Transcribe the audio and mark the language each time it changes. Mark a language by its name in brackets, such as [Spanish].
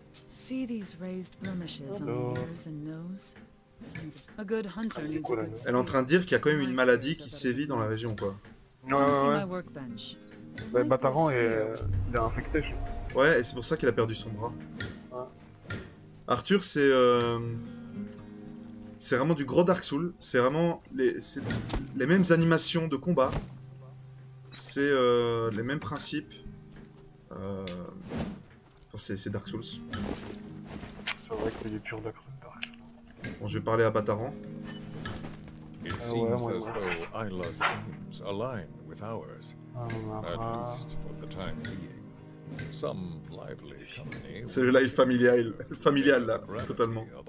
[English] See these raised blemishes on ears and nose. A good hunter needs good. [French] Elle est en train de dire qu'il y a quand même une maladie qui sévit dans la région, quoi. Ouais. Bah, Bataran est infecté. Ouais, et c'est pour ça qu'il a perdu son bras. Ouais. Arthur, c'est vraiment du gros Dark Souls. C'est vraiment les mêmes animations de combat. C'est les mêmes principes. C'est Dark Souls. C'est vrai qu'il est pur Dark. Bon, je vais parler à Bataran. [English] It seems as though Isla's aims align with ours. At least for the time being. Some lively company. [French] C'est le live familial là, totalement.